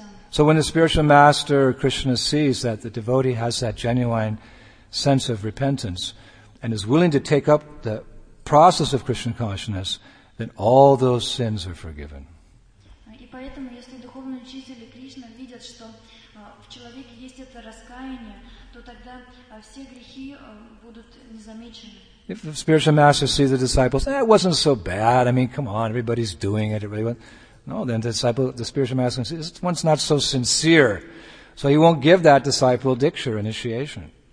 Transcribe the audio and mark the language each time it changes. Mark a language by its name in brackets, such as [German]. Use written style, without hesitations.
[English] So when the spiritual master Krishna sees that the devotee has that genuine sense of repentance and is willing to take up the process of Krishna consciousness, then all those sins are forgiven. [Russian] И поэтому, если духовные учителя Кришна видят, что в человеке есть это раскаяние, то тогда все грехи будут незамечены. [English] If the spiritual master sees the disciples, it wasn't so bad. I mean, come on, everybody's doing it. It really wasn't. No, then the disciple, the spiritual master says, this one's not so sincere. So he won't give that disciple diksha or initiation.